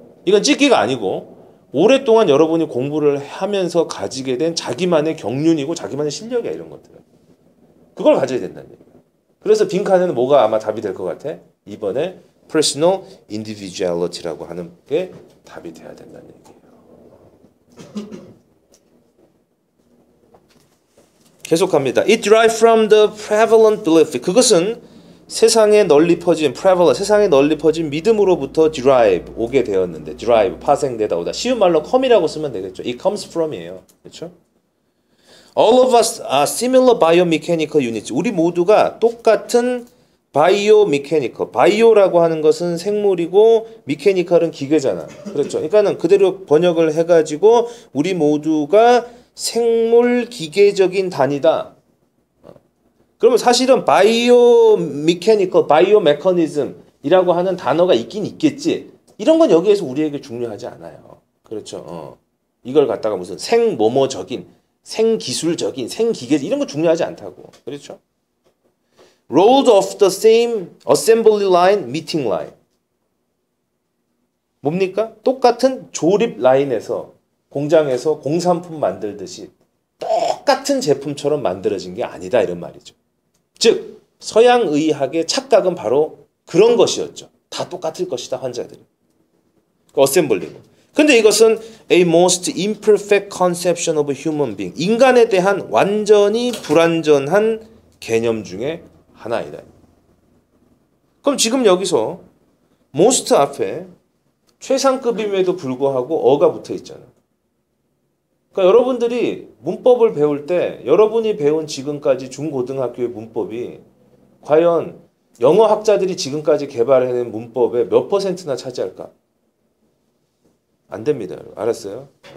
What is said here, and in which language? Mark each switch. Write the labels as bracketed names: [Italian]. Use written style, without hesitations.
[Korean] 이건 찍기가 아니고 오랫동안 여러분이 공부를 하면서 가지게 된 자기만의 경륜이고 자기만의 실력이야 이런 것들. 그걸 가져야 된다는 얘기. 그래서 빈칸에는 뭐가 아마 답이 될 것 같아? 이번에 [English] personal individuality [Korean] 라고 하는 게 답이 돼야 된다는 얘기예요. 계속합니다. [English] It derives from the prevalent belief. [Korean] 그것은 세상에 널리 퍼진 prevalent, 세상에 널리 퍼진 믿음으로부터 derive 오게 되었는데, derive 파생되다 오다. 쉬운 말로 come이라고 쓰면 되겠죠. [English] It comes from이에요. [Korean] 그렇죠? [English] All of us are similar biomechanical units. [Korean] 우리 모두가 똑같은 바이오메커니컬. 바이오라고 하는 것은 생물이고 메커니컬은 기계잖아. 그렇죠? 그러니까는 그대로 번역을 해 가지고 우리 모두가 생물 기계적인 단위다. 그러면 사실은 바이오메커니컬, 바이오메커니즘이라고 하는 단어가 있긴 있겠지. 이런 건 여기에서 우리에게 중요하지 않아요. 그렇죠? 이걸 갖다가 무슨 생뭐뭐적인, 생기술적인, 생기계 이런 거 중요하지 않다고. 그렇죠? [English] Rolled off the same assembly line, meeting line. [Korean] 뭡니까? 똑같은 조립 라인에서 공장에서 공산품 만들듯이 똑같은 제품처럼 만들어진 게 아니다 이런 말이죠. 즉 서양 의학의 착각은 바로 그런 것이었죠. 다 똑같을 것이다 환자들이. 그 assembly. 근데 이것은 [English] a most imperfect conception of a human being. [Korean] 인간에 대한 완전히 불완전한 개념 중에 하나이다. 그럼 지금 여기서 most 앞에 최상급임에도 불구하고 어가 붙어 있잖아. 그러니까 여러분들이 문법을 배울 때 여러분이 배운 지금까지 중고등학교의 문법이 과연 영어학자들이 지금까지 개발해낸 문법의 몇 퍼센트나 차지할까? 안 됩니다. 알았어요?